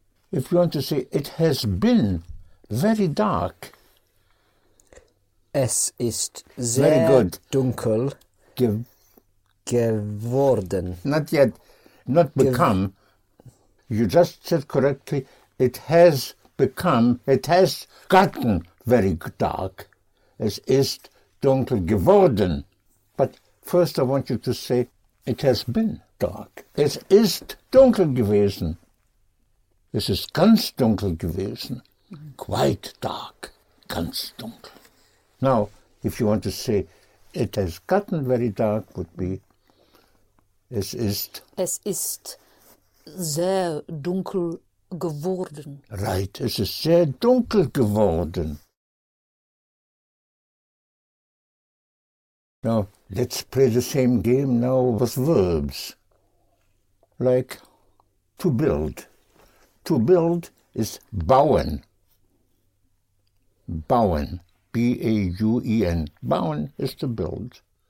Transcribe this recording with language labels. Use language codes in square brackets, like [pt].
[en] If you want to say it has been very dark. [de] Es ist sehr dunkel geworden. [en] Not yet. Not become. You just said correctly, it has become, it has gotten very dark. [de] Es ist dunkel geworden. [en] But first I want you to say, it has been dark. [de] Es ist dunkel gewesen. Es ist ganz dunkel gewesen. [en] Quite dark. [de] Ganz dunkel. [en] Now, if you want to say, it has gotten very dark, would be, [de] Es ist sehr dunkel geworden. Right, es ist sehr dunkel geworden. [en] Now, let's play the same game now with verbs. Like, to build. To build is bauen. Bauen, B-A-U-E-N. Bauen is to build.